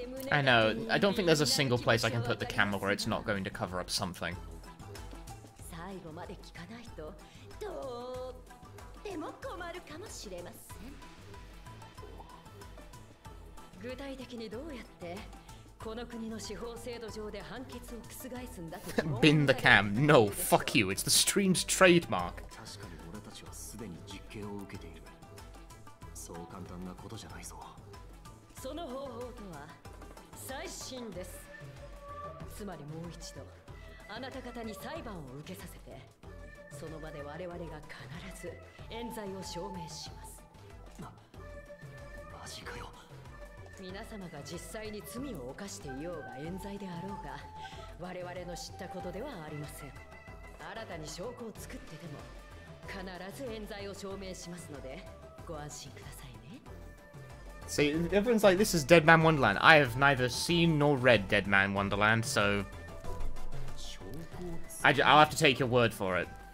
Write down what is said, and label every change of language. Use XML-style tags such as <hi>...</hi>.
<en>I know, I don't think there's a single place I can put the camera where it's not going to cover up something.</en> <ja>最後まで聞かないと、とっても困るかもしれません。具体的にどうやって、この国の司法制度上で判決を覆すんだと。</ja> <en>Bin the cam. No, fuck you. It's the stream's trademark.</en> <ja>確かに俺たちはすでに実刑を受けている。そう簡単なことじゃないぞ。その方法とは、再審です。つまりもう一度、あなた方に裁判を受けさせて、その場で我々が必ず冤罪を証明します。マジかよ。皆様が実際に罪を犯していようが冤罪であろうが、我々の知ったことではありません。新たに証拠を作ってでも、必ず冤罪を証明しますので、ご安心くださいね。</ja> <en>See, everyone's like, this is Dead Man Wonderland. I have neither seen nor read Dead Man Wonderland, so... I'll have to take your word for it.</en>